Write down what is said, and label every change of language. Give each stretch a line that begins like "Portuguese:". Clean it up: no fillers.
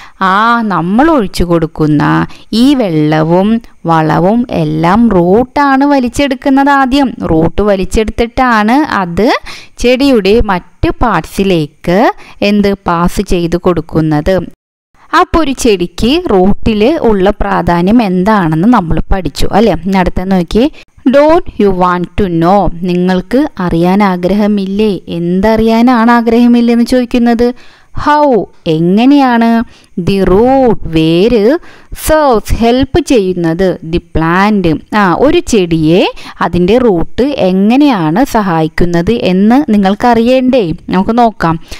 Malayalam: ആ നമ്മൾ ഒഴിച്ചു കൊടുക്കുന്ന ഈ വെള്ളവും വളവും എല്ലാം റൂട്ടാണ് വലിച്ചെടുക്കുന്നത്. ആദ്യം റൂട്ട് വലിച്ചെടുത്തിട്ടാണ് അത് ചെടിയുടെ മറ്റ് പാർട്സിലേക്ക് എന്ത് പാസ് ചെയ്ത് കൊടുക്കുന്നത്. അപ്പോൾ ഒരു ചെടിക്ക് റൂട്ടിൽ ഉള്ള പ്രാധാന്യം എന്താണെന്ന് നമ്മൾ പഠിച്ചു അല്ലേ. അടുത്ത നോക്കിയേ,
English: Don't you want to know?
Malayalam: നിങ്ങൾക്ക് അറിയാൻ ആഗ്രഹമില്ലേ? എന്തറിയാനാണ് ആഗ്രഹമില്ലെന്ന് ചോദിക്കുന്നത്. ഹൗ, എങ്ങനെയാണ് ദി റൂട്ട് വേര് സെർവ്സ് ഹെൽപ്പ് ചെയ്യുന്നത് ദി പ്ലാന്റ്? ആ ഒരു ചെടിയെ അതിൻ്റെ റൂട്ട് എങ്ങനെയാണ് സഹായിക്കുന്നത് എന്ന് നിങ്ങൾക്കറിയേണ്ടേ? നമുക്ക് നോക്കാം.